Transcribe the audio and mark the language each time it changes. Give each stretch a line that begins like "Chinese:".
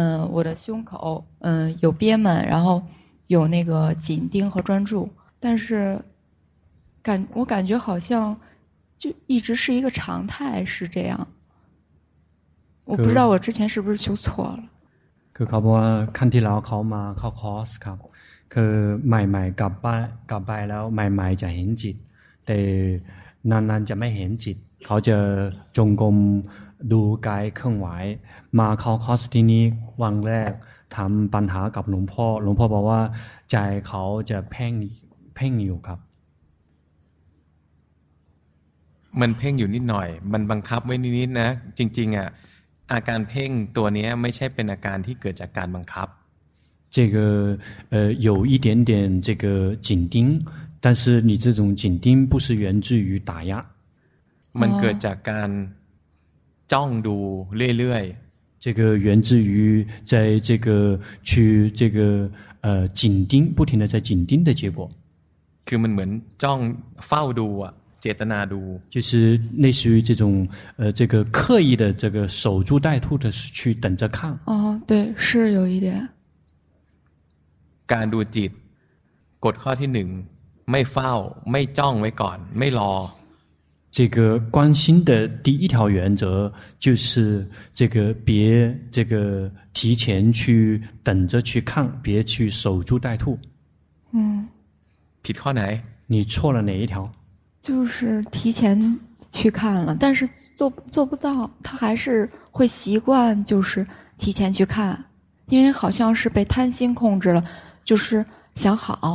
Chinese: 我的胸口有憋闷然后有那个紧盯和专注但是我感觉好像就一直是一个常态是这样我不知道我之前是不是修错了
Thai: คือเขาบอกว่าครั้งที่แล้วเขามาเข้าคอร์สครับคือใหม่ๆกลับไปแล้วใหม่ๆจะเห็นจิตแต่นานๆจะไม่เห็นจิตเขาจะจงกรมดูกายเคลื่อนไหวมาเข้าคอร์สที่นี้วันแรกทำปัญหากับหลวงพ่อหลวงพ่อบอกว่าใจเขาจะเพ่งอยู่ครับ มันเพ่งอยู่นิดหน่อยมันบังคับไว้นิดๆนะจริงๆอ่ะอาการเพ่งตัวนี้ไม่ใช่เป็นอาการที่เกิดจากการบังคับ
Chinese: 这个有一点点这个紧盯但是你这种紧盯不是源自于打压
Thai: มันเกิดจากการจ้องดูเรื่อย
Chinese: ๆ这个源自于在这个去这个紧盯不停的在紧盯的结果
Thai: คือมันเหมือนจ้องเฝ้าดูอ่ะเจตนาดู
Chinese: 就是类似于这种这个刻意的这个守株待兔的去等着看哦对是有一点
Thai: การดูจิตกฎข้อที่หนึ่งไม่เฝ้าไม่จ้องไว้ก่อนไม่รอ
Chinese: 这个观心的第一条原则就是这个别这个提前去等着去看别去守株待兔
Thai: ผิดข้อไหน
Chinese: 你错了哪一条就是提前去看了但是做不到他还是会习惯就是提前去看因为好像是被贪心控制了就是想好